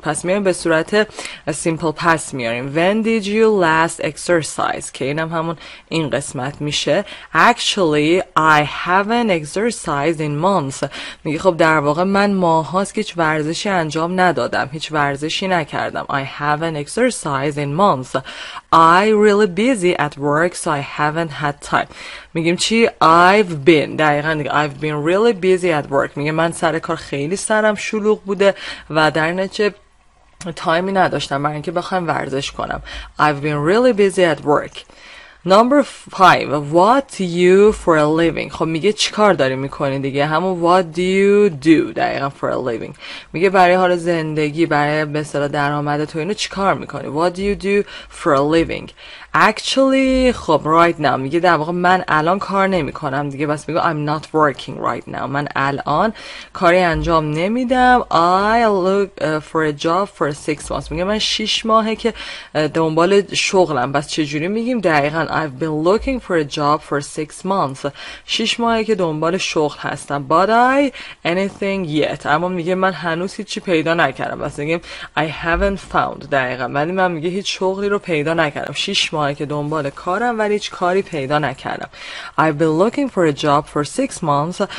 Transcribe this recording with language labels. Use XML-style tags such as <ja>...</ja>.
<fa>پس میاریم به صورت simple past میاریم.</fa> <en>When did you last exercise?</en> <fa>که اینم همون این قسمت میشه.</fa> <en>Actually, I haven't exercised in months.</en> <fa>میگه خب در واقع من ماهاست که هیچ ورزشی انجام ندادم. هیچ ورزشی نکردم.</fa> <en>I haven't exercise in months. I really busy at work, so I haven't had time.</en> <fa>میگیم چی؟</fa> <en>I've been.</en> <fa>دقیقاً دیگه.</fa> <en>I've been really busy at work.</en> <fa>میگه من سر کار خیلی سرم شلوغ بوده و در نتیجه تایمی نداشتم برای اینکه بخوام ورزش کنم.</fa> <en>I've been really busy at work. Number 5. What you for a living.</en> <fa>خب میگه چیکار داری میکنی دیگه، همون</fa> <en>what do you do دقیقاً for a living.</en> <fa>میگه برای حال زندگی، برای به اصطلاح درآمد تو اینو چیکار میکنی.</fa> <en>What do you do for a living. Actually خب right now</en> <fa>میگه در واقع من الان کار نمیکنم دیگه، بس میگه</fa> <en>I'm not working right now.</en> <fa>من الان کاری انجام نمیدم.</fa> <en>I look for a job for 6 months.</en> <fa>میگه من 6 ماهه که دنبال شغلم. بس چجوری میگیم دقیقاً</fa> <en>I've been looking for a job for 6 months.</en> <fa>6 ماهه که دنبال شغل هستم.</fa> <en>But I anything yet.</en> <fa>اما میگه من هنوز هیچی پیدا نکردم. بس میگه</fa> <en>I haven't found.</en> <fa>دقیقا ولی من میگه هیچ شغلی رو پیدا نکردم. 6 ماهه که دنبال کارم ولی هیچ کاری پیدا نکردم.</fa> <en>I've been looking for a job for 6 months.</en>